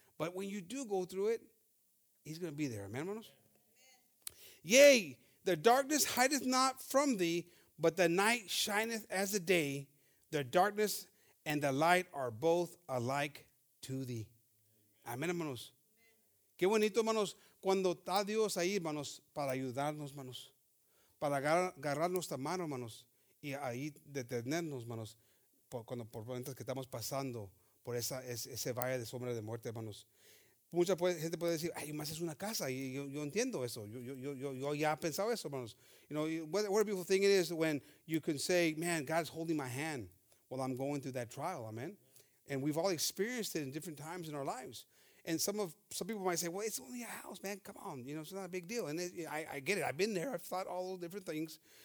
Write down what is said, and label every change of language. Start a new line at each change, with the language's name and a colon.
English: But when you do go through it, he's going to be there. Amen, hermanos. Yea, the darkness hideth not from thee, but the night shineth as the day. The darkness and the light are both alike to thee.
Spanish: Amen, hermanos. Qué bonito, hermanos, cuando está Dios ahí, hermanos, para ayudarnos, hermanos. Para agarrar nuestra mano, hermanos, y ahí detenernos, hermanos, por momentos que estamos pasando por ese valle de sombra de muerte, hermanos. Mucha gente puede decir, ay, más es una casa, y yo entiendo eso. Yo ya he pensado eso, hermanos.
English: You know, what a beautiful thing it is when you can say, man, God's holding my hand while I'm going through that trial, amen? And we've all experienced it in different times in our lives. And some people might say, well, it's only a house, man. Come on. You know, it's not a big deal. And I get it. I've been there. I've thought all those different things.